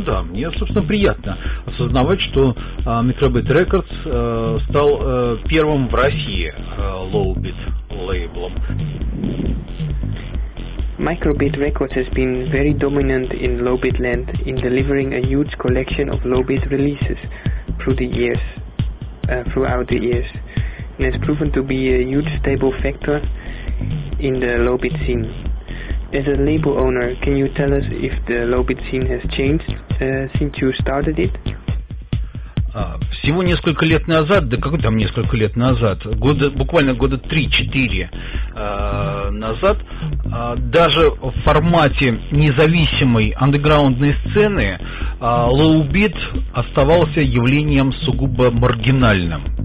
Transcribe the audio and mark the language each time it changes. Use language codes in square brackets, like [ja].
[ru] Мне, собственно, приятно осознавать, что Microbeat Records стал первым в России Lowbeat лейблом. [en] Microbeat Records has been very dominant in Lowbeat land in delivering a huge collection of Lowbeat releases throughout the years. It has proven to be a huge stable factor in the Lowbeat scene. As a label owner, can you tell us if the Lowbeat scene has changed since you started it? [ru] Всего несколько лет назад, да как там несколько лет назад, года, буквально года 3-4 назад, даже в формате независимой андеграундной сцены лоу-бит оставался явлением сугубо маргинальным.